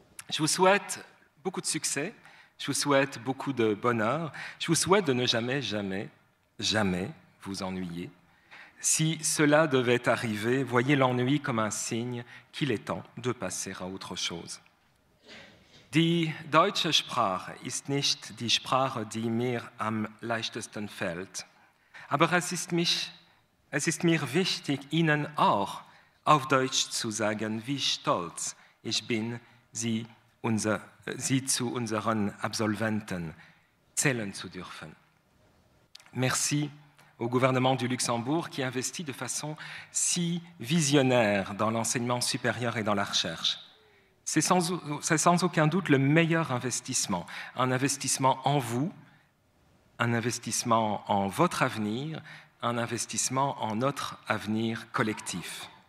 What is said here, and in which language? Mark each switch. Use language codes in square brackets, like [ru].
[fr] Je vous souhaite beaucoup de succès. Je vous souhaite beaucoup de bonheur. Je vous souhaite de ne jamais, jamais, jamais vous ennuyer. Si cela devait arriver, voyez l'ennui comme un signe qu'il est temps de passer à autre chose. [de] Die deutsche Sprache ist nicht die Sprache, die mir am leichtesten fällt. Aber es ist mir wichtig, Ihnen auch auf Deutsch zu sagen, wie stolz ich bin, Sie zu unseren Absolventen zählen zu dürfen. [fr] Merci au gouvernement du Luxembourg qui investit de façon si visionnaire dans l'enseignement supérieur et dans la recherche. C'est sans aucun doute le meilleur investissement, un investissement en vous, un investissement en votre avenir, un investissement en notre avenir collectif.